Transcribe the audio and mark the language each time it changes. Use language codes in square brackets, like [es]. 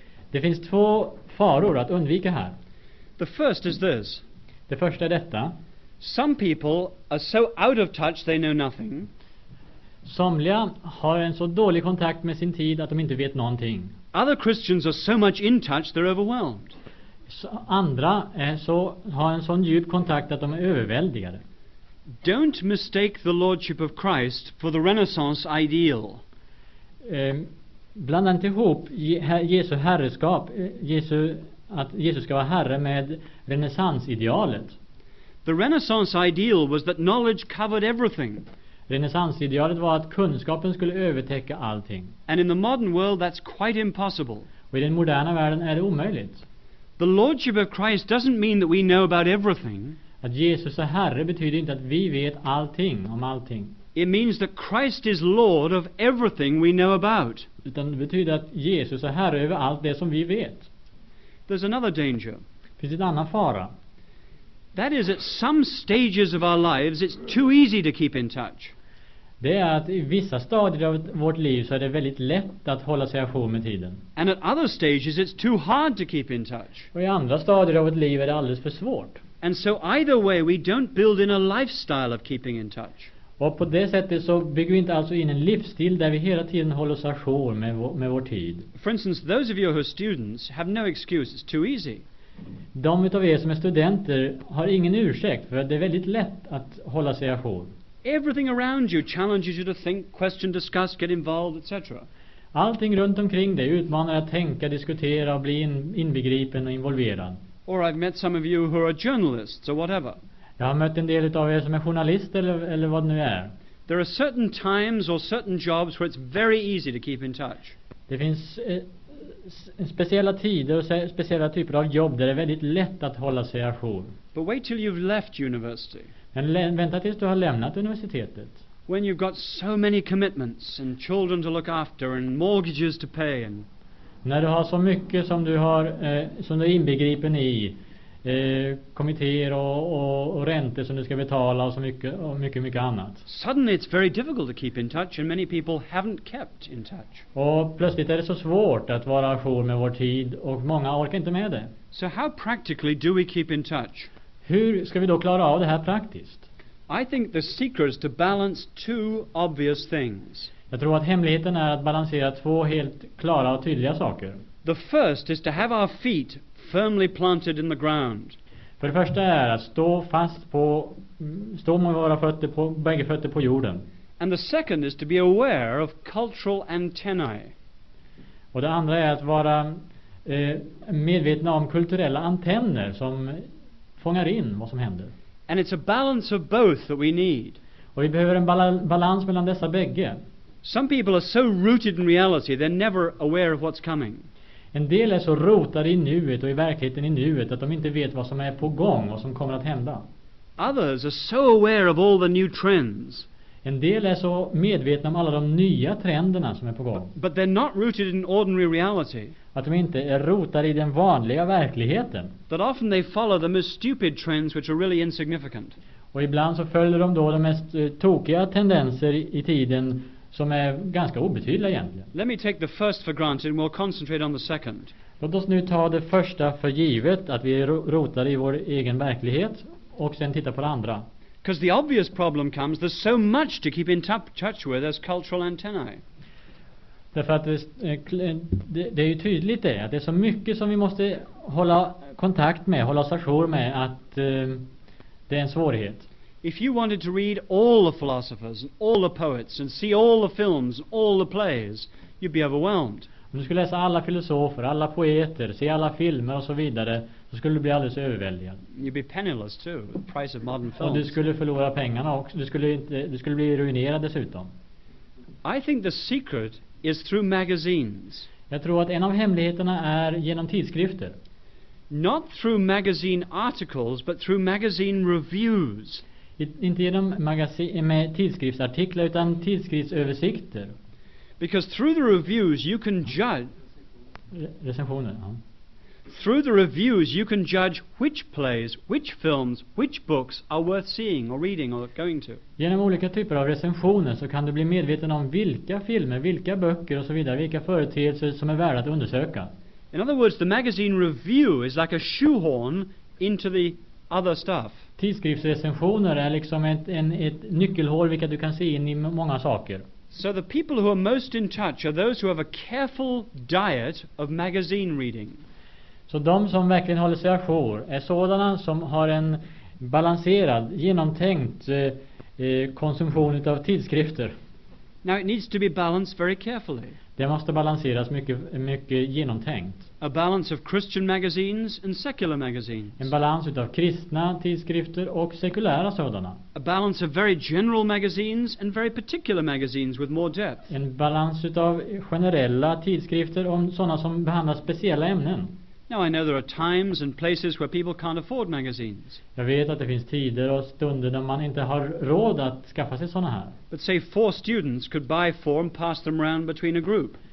[sv] Det finns två faror att undvika här. [en] The first is this. [sv] Det första är detta. [en] Some people are so out of touch they know nothing. [sv] Somliga har en så dålig kontakt med sin tid att de inte vet någonting. [en] Other Christians are so much in touch they're overwhelmed. [sv] Andra är så, har en sån djup kontakt att de är överväldigade. [en] Don't mistake the lordship of Christ for the Renaissance ideal. [sv] Blanda inte ihop Jesu herreskap, Jesu, att Jesus ska vara herre, med renässansidealet. [en] The Renaissance ideal was that knowledge covered everything. [sv] Renässansidealet var att kunskapen skulle övertäcka allting. [en] And in the modern world that's quite impossible. [sv] Och i den moderna världen är det omöjligt. [en] The lordship of Christ doesn't mean that we know about everything. [sv] Att Jesus är herre betyder inte att vi vet allting om allting. [en] It means that Christ is Lord of everything we know about. [sv] Utan det betyder att Jesus är herre över allt det som vi vet. [en] There's another danger. [sv] Finns det en annan fara? [en] That is, at some stages of our lives it's too easy to keep in touch. [sv] Det är att i vissa stadier av vårt liv så är det väldigt lätt att hålla sig ajour med tiden. [en] And at other stages it's too hard to keep in touch. [sv] Och i andra stadier av vårt liv är det alldeles för svårt. [en] And so either way we don't build in a lifestyle of keeping in touch. [sv] Och på det sättet så bygger vi inte alltså in en livsstil där vi hela tiden håller oss ajour med vår tid. [en] For instance, those of you who are students have no excuse, it's too easy. [sv] De utav er som är studenter har ingen ursäkt, för det är väldigt lätt att hålla sig ajour. [en] Everything around you challenges you to think, question, discuss, get involved, etc. [sv] Allting runt omkring dig utmanar att tänka, diskutera och bli inbegripen och involverad. [en] Or I've met some of you who are journalists or whatever. [sv] Jag har mött en del utav er som är journalister eller vad det nu är. [en] There are certain times or certain jobs where it's very easy to keep in touch. [sv] Det finns speciella tider och speciella typer av jobb där det är väldigt lätt att hålla sig ajour. [en] But wait till you've left university. [sv] Men vänta tills du har lämnat universitetet. [en] When you've got so many commitments and children to look after and mortgages to pay and [sv] när du har så mycket som du har som du är inbegripen i kommittéer och räntor som du ska betala och så mycket och mycket mycket annat. [en] Suddenly it's very difficult to keep in touch and many people haven't kept in touch. [sv] Och plötsligt är det så svårt att vara ajour med vår tid och många orkar inte med det. [en] So how practically do we keep in touch? [sv] Hur ska vi då klara av det här praktiskt? [en] I think the secret is to balance two obvious things. [sv] Jag tror att hemligheten är att balansera två helt klara och tydliga saker. [en] The first is to have our feet firmly planted in the ground. [sv] För det första är att stå med våra fötter på bägge fötter på jorden. [en] And the second is to be aware of cultural antennae. [sv] Och det andra är att vara medvetna om kulturella antenner som fångar in vad som händer. [en] And it's a balance of both that we need. [sv] Och vi behöver en balans mellan dessa bägge. [en] Some people are so rooted in reality they're never aware of what's coming. [sv] En del är så rotade i nuet och i verkligheten i nuet att de inte vet vad som är på gång och som kommer att hända. [en] Others are so aware of all the new trends. [sv] En del är så medvetna om alla de nya trenderna som är på gång. [en] But they're not rooted in ordinary reality. [sv] Att de inte är rotade i den vanliga verkligheten. [en] That often they follow the most stupid trends which are really insignificant. [sv] Och ibland så följer de då de mest tokiga tendenser i tiden som är ganska obetydliga egentligen. [en] Let me take the first for granted and we'll concentrate on the second. [sv] Låt oss nu ta det första för givet att vi rotar i vår egen verklighet och sen titta på det andra. [en] Because the obvious problem comes, there's so much to keep in touch with as cultural antennae. [sv] Därför att det är ju tydligt det, att det är så mycket som vi måste hålla kontakt med, hålla oss ajour med, att det är en svårighet. [en] If you wanted to read all the philosophers and all the poets and see all the films and all the plays, you'd be overwhelmed. [sv] Om du skulle läsa alla filosofer, alla poeter, se alla filmer och så vidare, så skulle du bli alldeles överväldigad. [en] You'd be penniless too, the price of modern films. [sv] Och du skulle förlora pengarna också. Du skulle bli ruinerad dessutom. [en] I think the secret is through magazines. [sv] Jag tror att en av hemligheterna är genom tidskrifter. [en] Not through magazine articles, but through magazine reviews. [sv] Inte genom med tidskriftsartiklar, utan tidskriftsöversikter. [en] Because through the reviews you can judge. [sv] Recensioner, ja. [en] Through the reviews you can judge which plays, which films, which books are worth seeing or reading or going to. [sv] Genom olika typer av recensioner så kan du bli medveten om vilka filmer, vilka böcker och så vidare, vilka företeelser som är värda att undersöka. [en] In other words, the magazine review is like a shoehorn into the other stuff. [sv] Tidskriftsrecensioner är liksom ett nyckelhål vilket du kan se in i många saker. [en] So the people who are most in touch are those who have a careful diet of magazine reading. [sv] Så de som verkligen håller sig ajour är sådana som har en balanserad, genomtänkt konsumtion utav tidskrifter. [en] Now it needs to be balanced very carefully. [sv] Det måste balanseras mycket, mycket genomtänkt. [en] A balance of Christian magazines and secular magazines. [sv] En balans utav kristna tidskrifter och sekulära sådana. [en] A balance of very general magazines and very particular magazines with more depth. [sv] En balans utav generella tidskrifter och sådana som behandlar speciella ämnen. [en] Now I know there are times and places where people can't afford magazines. [sv] Jag vet att det finns tider och stunder där man inte har råd att skaffa sig såna här. [en] But say four students could buy four and pass them around between a group.